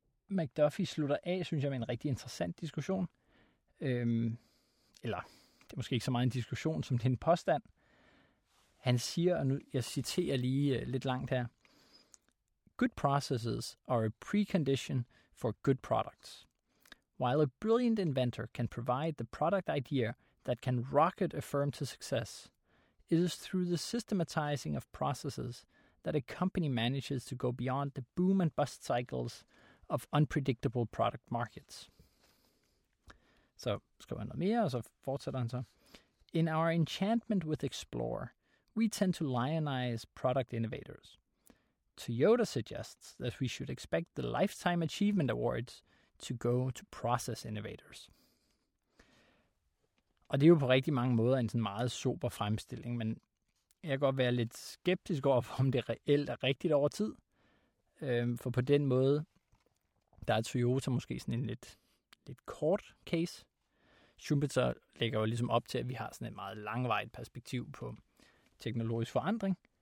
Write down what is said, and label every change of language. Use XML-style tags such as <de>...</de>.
<da>McDuffie slutter af, synes jeg, med en rigtig interessant diskussion. Eller, det er måske ikke så meget en diskussion, som det er en påstand. Han siger, og nu jeg citerer lige lidt langt her.</da> <en>Good processes are a precondition for good products. While a brilliant inventor can provide the product idea that can rocket a firm to success, it is through the systematizing of processes that a company manages to go beyond the boom and bust cycles of unpredictable product markets.</en> <da>Så skriver han noget mere, og så fortsætter han så.</da> <en>In our enchantment with Explore, we tend to lionize product innovators. Toyota suggests that we should expect the Lifetime Achievement Awards to go to process innovators.</en> <da>Og det er jo på rigtig mange måder en sådan meget super fremstilling, men jeg kan godt være lidt skeptisk over, om det reelt er rigtigt over tid. For på den måde, der er Toyota måske sådan en lidt kort case. Schumpeter lægger jo ligesom op til, at vi har sådan et meget langvarigt perspektiv på teknologisk forandring.</da>